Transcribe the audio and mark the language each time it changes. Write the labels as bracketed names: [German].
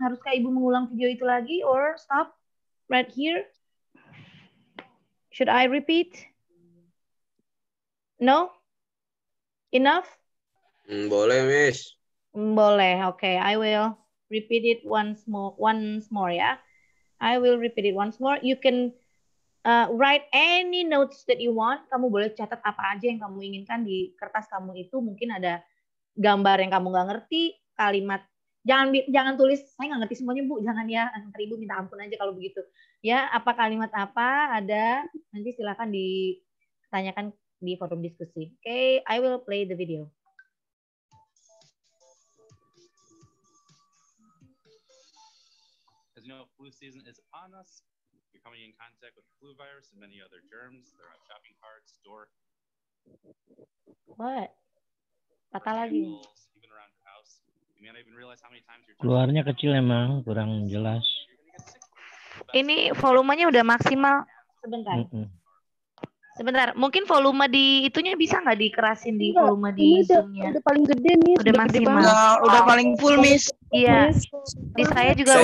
[Indonesian] Haruskah ibu mengulang video itu lagi [English] or stop right here? Should I repeat? No? Enough? [Indonesian] Boleh, Miss. Boleh, oke. [English] Okay. I will repeat it once more ya. I will repeat it once more. You can write any notes that you want. [Indonesian] Kamu boleh catat apa aja yang kamu inginkan di kertas kamu itu. Mungkin ada gambar yang kamu nggak ngerti, kalimat. Jangan tulis, saya nggak ngerti semuanya, Bu. Jangan ya, nanti Ibu minta ampun aja kalau begitu. Ya, apa kalimat apa ada, nanti silakan ditanyakan di forum diskusi. [English] Oke, okay, I will play the video. As you know, flu season is upon us. You're coming in contact with flu virus and many other germs. They're on shopping carts, door. What? [Indonesian] Patah lagi. [English] Even around your house. You may not even realize how many times you're. [Indonesian] Keluarnya kecil emang, kurang jelas. Ini volumenya udah maksimal. Sebentar. Mm-hmm. Sebentar, mungkin volume di itunya bisa nggak dikerasin di volume di Zoom-nya? Udah paling gede, Miss. Udah maksimal. Udah paling full, Miss. Iya. Di saya juga